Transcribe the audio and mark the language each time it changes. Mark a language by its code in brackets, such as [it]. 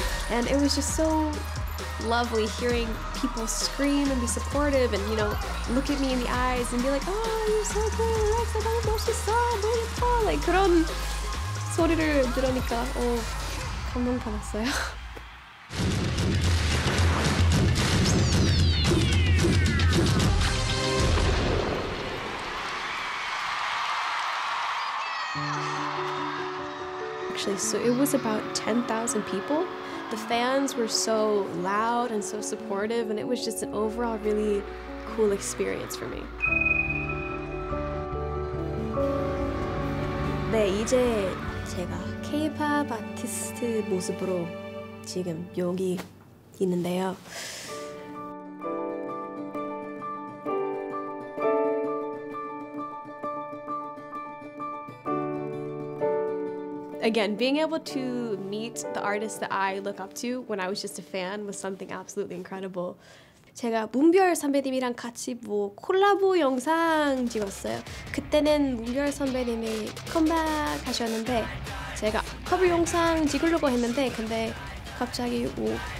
[en] And it was just so lovely hearing people scream and be supportive and, you know, look at me in the eyes and be like, oh, you're so good, Alex, I don't know she's so beautiful. [ko] Like, 그런 소리를 들으니까, 오, 감동 받았어요. [en] Actually, so it was about 10,000 people. The fans were so loud and so supportive, and it was just an overall really cool experience for me. [ko] 네, 이제 제가 K-pop 아티스트 모습으로 지금 여기 있는데요. [en] Again, being able to meet the artists that I look up to when I was just a fan was something absolutely incredible. [ko] 제가 문별 선배님이랑 같이 뭐 콜라보 영상 찍었어요. 그때는 문별 선배님이 컴백 하셨는데 제가 커버 영상 찍으려고 했는데 근데 갑자기 오.